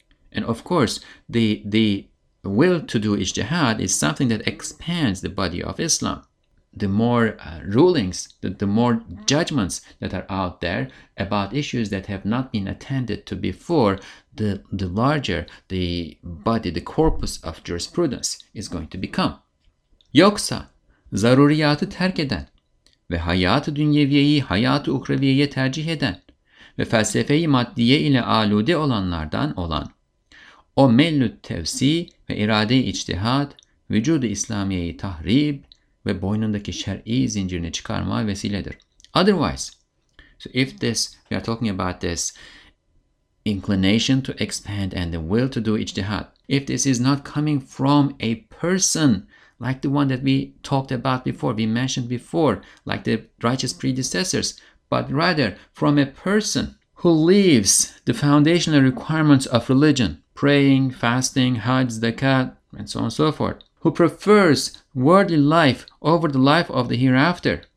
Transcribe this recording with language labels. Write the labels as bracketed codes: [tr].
[en] And of course, the will to do ijtihad is something that expands the body of Islam. The more rulings, the more judgments that are out there about issues that have not been attended to before, the larger the body, the corpus of jurisprudence is going to become. [tr] Yoksa zaruriyatı terk eden ve hayatı dünyeviyeyi hayatı ukreviyeye tercih eden ve felsefeyi maddiye ile alude olanlardan olan o mellü tevsi ve irade-i içtihad, vücud-ı İslamiye'yi tahrib ve boynundaki şer'i zincirini çıkarma vesiledir. [en] Otherwise, So if this, we are talking about this inclination to expand and the will to do ijtihad, if this is not coming from a person like the one that we talked about before, we mentioned before, like the righteous predecessors, but rather from a person who leaves the foundational requirements of religion, praying, fasting, hajj, zakat, and so on and so forth, who prefers worldly life over the life of the hereafter,